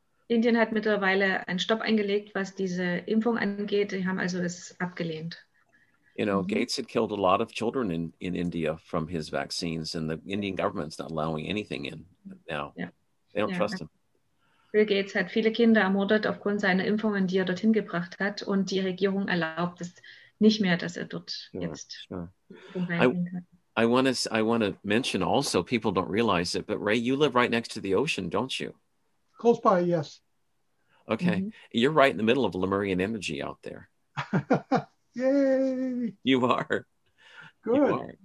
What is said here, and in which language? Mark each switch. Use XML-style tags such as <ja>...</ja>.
<de>Indien hat mittlerweile einen Stopp eingelegt, was diese Impfung angeht. Die haben also es abgelehnt.</de> <en>You know, Gates had killed a lot of children in India from his vaccines, and the Indian government's not allowing anything in now. Yeah. They don't trust him.</en> <de>Bill Gates hat viele Kinder ermordet aufgrund seiner Impfungen, die er dorthin gebracht hat, und die Regierung erlaubt es nicht mehr, dass er dort jetzt rein kann.</de> <en>I want to mention also, people don't realize it, but Ray, you live right next to the ocean, don't you? Close by, yes. Okay. Mm-hmm. You're right in the middle of Lemurian energy out there. Yay! You are. Good. You are.</en>